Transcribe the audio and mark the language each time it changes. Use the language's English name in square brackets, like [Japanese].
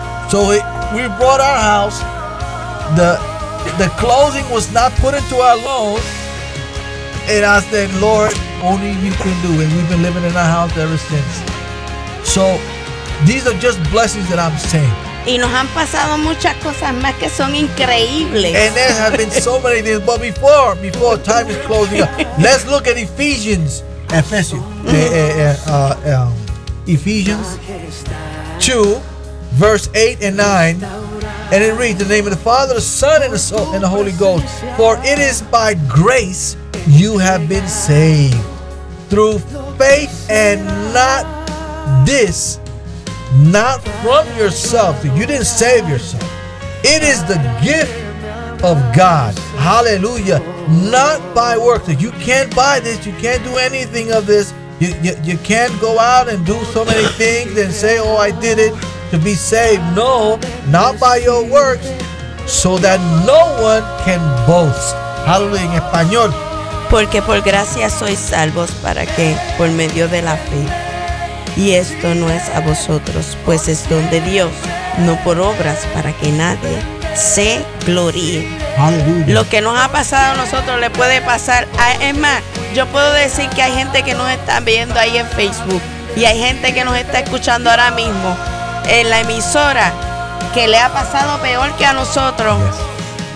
[English] So we brought our house. The closing was not put into our loan. And I said, Lord, only you can do it. We've been living in our house ever since. So these are just blessings that I'm saying. [Spanish] Y nos han pasado muchas cosas más que son increíbles. [English] And there have been so many things. But before time is closing up, let's look at Ephesians. Ephesians 2, verse 8 and 9. And it reads, in the name of the Father, the Son, and the Soul, and the Holy Ghost. For it is by grace you have been saved, through faith, and not this, not from yourself. You didn't save yourself. It is the gift of God. Hallelujah. Not by works. You can't buy this. You can't do anything of this. You can't go out and do so many things and say, oh, I did it to be saved. No, not by your works, so that no one can boast. [Spanish] Hallelujah. En español. Porque por gracia sois salvos, para que por medio de la fe. Y esto no es a vosotros, pues es don de Dios, no por obras, para que nadie se gloríe. Lo que nos ha pasado a nosotros le puede pasar a, es más, yo puedo decir que hay gente que nos está viendo ahí en Facebook, y hay gente que nos está escuchando ahora mismo en la emisora, que le ha pasado peor que a nosotros. Yes.